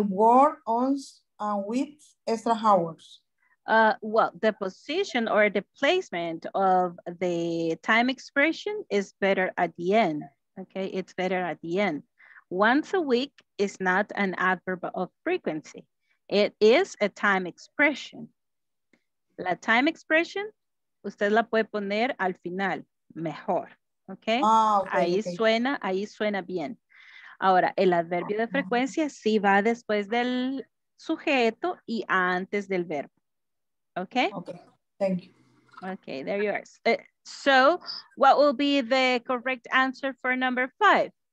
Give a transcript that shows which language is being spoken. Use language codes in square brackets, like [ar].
[en] work once a week extra hours. Well, the position or the placement of the time expression is better at the end. Okay, it's better at the end. Once a week is not an adverb of frequency. It is a time expression. [es] La time expression, usted la puede poner al final, mejor. [en] Okay, [es] ahí suena bien. Ahora, el adverbio de frecuencia sí va después del sujeto y antes del verbo. [en] Okay. Okay. Thank you. Okay, there you are. So, what will be the correct answer for number five?